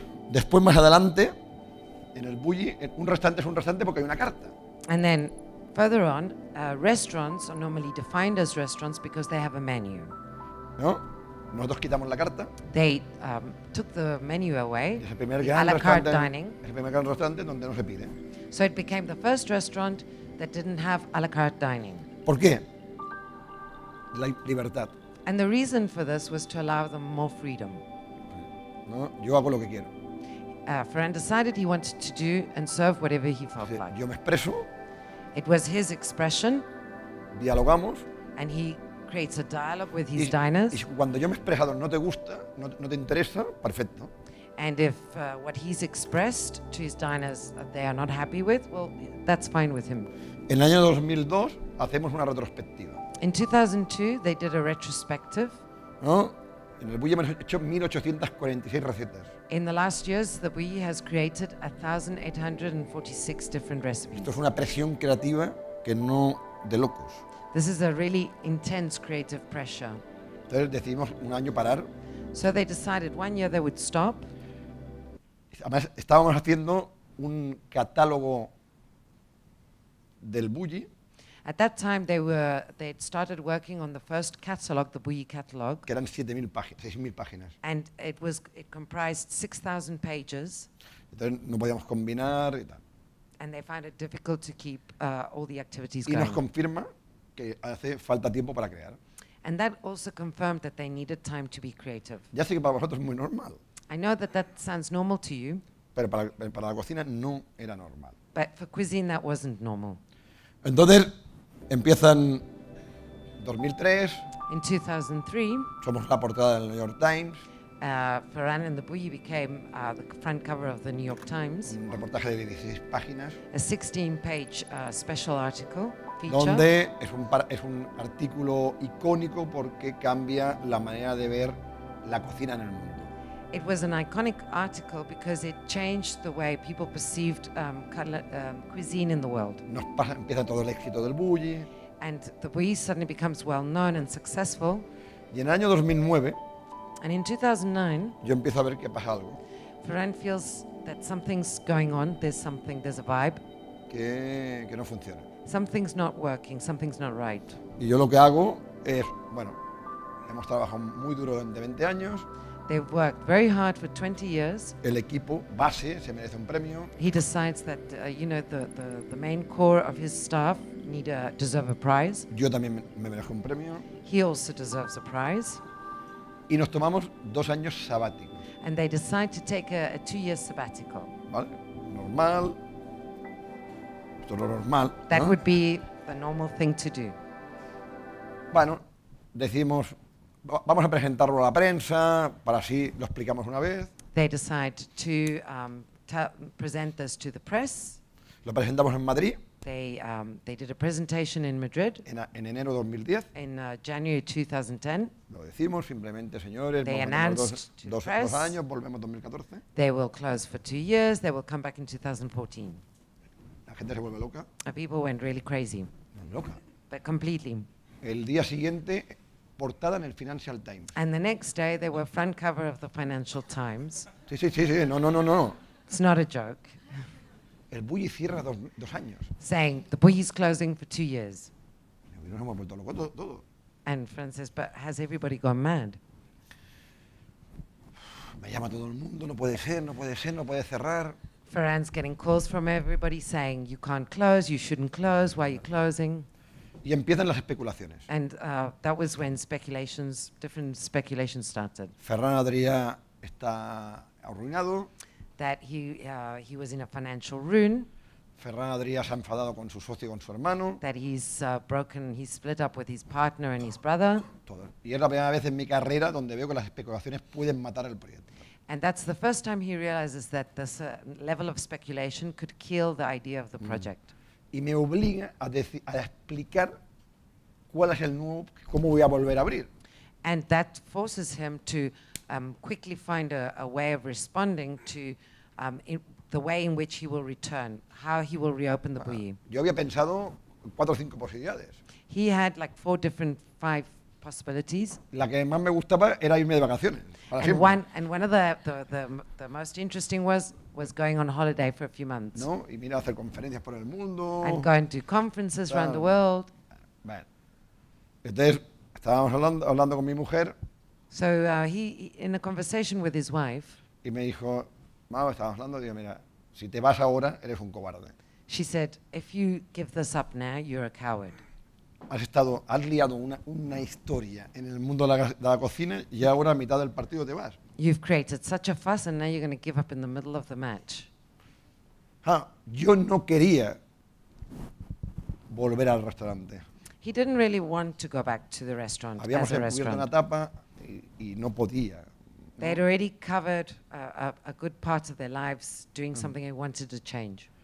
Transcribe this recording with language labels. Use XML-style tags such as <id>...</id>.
<es>Después más adelante en el Bulli, un restaurante porque hay una carta.</es> <en>And then further on, restaurants are normally defined as restaurants because they have a menu.</en> <es>¿No? Nosotros quitamos la carta.</es> <en>They took the menu away.</en> <es>Es el primer gran restaurante. Es el primer gran restaurante donde no se pide.</es> <en>So it became the first restaurant that didn't have a la carte dining.</en> <es>¿Por qué? La libertad.</es> <en>And the reason for this was to allow them more freedom.</en> <es>No, yo hago lo que quiero.</es> <en>Ferran decided he wanted to do and serve whatever he felt like.</en> <es>Yo me expreso.</es> <en>It was his expression.</en> <es>Dialogamos.</es> <en>And he creates a dialogue with his diners.</en> <es>Y cuando yo me he expresado no te gusta, no te interesa, perfecto.</es> <en>And if what he's expressed to his diners they are not happy with, well, that's fine with him.</en> <es>En el año 2002 hacemos una retrospectiva.</es> <en>In 2002 they did a retrospective.</en> <es>¿No? En el Bulli hemos hecho 1.846 recetas.</es> <en>In the last years, the Bulli has created 1,846 different recipes.</en> <es>Esto es una presión creativa que no de locos.</es> <en>This is a really intense creative pressure.</en> <es>Entonces decidimos un año parar.</es> <en>So they decided 1 year they would stop.</en> <es>Además estábamos haciendo un catálogo del Bulli.</es> <en>At that time, they had started working on the first catalog, the Bulli catalog.</en> <es>Que eran 6,000 páginas.</es> <en>And it comprised 6,000 pages.</en> <es>Entonces, no podíamos combinar y tal.</es> <en>And they found it difficult to keep all the activities</en> <es>y</es> <en>going.</en> <es>Y nos confirma que hace falta tiempo para crear.</es> <en>And that also confirmed that they needed time to be creative.</en> <es>Ya sé que para vosotros es muy normal.</es> <en>I know that sounds normal to you.</en> <es>Pero para la cocina no era normal.</es> <en>But for cuisine, that wasn't normal.</en> <es>Entonces empiezan 2003.</es> <en>In 2003.</en> <es>Somos la portada del New York Times.</es> <en>Ferran and the Bulli became the front cover of the New York Times.</en> <es>Un reportaje de 16 páginas.</es> <en>A 16-page special article feature.</en> <es>Donde es un artículo icónico porque cambia la manera de ver la cocina en el mundo.</es> <en>It was an iconic article because it changed the way people perceived cuisine in the world.</en> <es>Nos pasa, empieza todo el éxito del Bulli.</es> <en>And the Bulli suddenly becomes well known and successful.</en> <es>Y en el año 2009,</es> <en>and in 2009,</en> <es>yo empiezo a ver que pasa algo.</es> <en>Ferran feels that something's going on, there's a vibe.</en> <es>Que no funciona.</es> <en>Something's not working, something's not right.</en> <es>Y yo lo que hago Bueno, hemos trabajado muy duro durante 20 años.</es> <en>They worked very hard for 20 years.</en> <es>El equipo base se merece un premio.</es> <en>He decides that you know the main core of his staff need a deserve a prize.</en> <es>Yo también me merezco un premio.</es> <en>He also deserves a prize.</en> <es>Y nos tomamos dos años sabáticos.</es> <en>And they decide to take a 2 year sabbatical.</en> <es>Vale, normal. Esto es lo normal.</es> <en>That</en> <es>¿no?</es> <en>would be the normal thing to do.</en> <es>Bueno, decimos vamos a presentarlo a la prensa, para así lo explicamos una vez.</es> <en>They decide to present this to the press.</en> <es>Lo presentamos en Madrid.</es> <en>They did a presentation in Madrid.</en> <es>En enero 2010.</es> <en>In January 2010.</en> <es>Lo decimos simplemente, señores,</es> <en>they announced</en> <es>dos,</es> <en>to the press,</en> <es>dos años, volvemos 2014.</es> <en>They will close for 2 years, they will come back in 2014.</en> <es>La gente se vuelve loca.</es> <en>The people went really crazy.</en> <es>Loca.</es> <en>But completely.</en> <es>El día siguiente, portada en el Financial Times.</es> <en>And the next day, they were front cover of the Financial Times.</en> <es>Sí, sí, sí, sí. No, no, no, no.</es> <en>It's not a joke.</en> <es>El Bulli cierra dos años.</es> <en>Saying, the Bulli is closing for 2 years.</en> <es>Nos hemos vuelto locos todo.</es> <en>And Fran says, but has everybody gone mad?</en> <es>Me llama todo el mundo, no puede ser, no puede ser, no puede cerrar.</es> <en>Ferran's getting calls from everybody saying, you can't close, you shouldn't close, why are you closing?</en> <es>Y empiezan las especulaciones.</es> <en>And that was when speculations, different speculations started.</en> <es>Ferran Adria está arruinado.</es> <en>That he was in a financial ruin.</en> <es>Ferran Adria se ha enfadado con su socio y con su hermano.</es> <en>That he's broken, he's split up with his partner and his brother.</en> <es>Todo. Y es la primera vez en mi carrera donde veo que las especulaciones pueden matar el proyecto.</es> <en>And that's the first time he realizes that this level of speculation could kill the idea of the project.</en> <es>Y me obliga a explicar cuál es el nuevo, cómo voy a volver a abrir.</es> <en>And that forces him to quickly find a way of responding to the way in which he will return, how he will reopen the Bulli.</en> <es>Yo había pensado cuatro o cinco posibilidades.</es> <en>He had like four different five possibilities.</en> <es>La que más me gustaba era irme de vacaciones. Para</es> <en>and</en> <es>siempre.</es> <en>One of the most interesting was. Was going on holiday for a few months.</en> <es>No, y mira hacer conferencias por el mundo.</es> <en>And going to conferences around the world.</en> <es>Bueno. Entonces, estábamos hablando con mi mujer.</es> <en>So he in a conversation with his wife.</en> <es>Y me dijo, "Mao, estábamos hablando, digo, mira, si te vas ahora eres un cobarde."</es> <en>She said, "If you give this up now, you're a coward."</en> <es>Has liado una historia en el mundo de la cocina y ahora a mitad del partido te vas.</es> <en>You've created such a fuss and now you're going to give up in the middle of the match.</en> <es>Yo no quería volver al restaurante.</es> <en>He didn't really want to go back to the restaurant.</en> <es>Habíamos cubierto una etapa y no podía.</es> <en>They'd already covered a good part of their lives doing something they wanted to change.</en>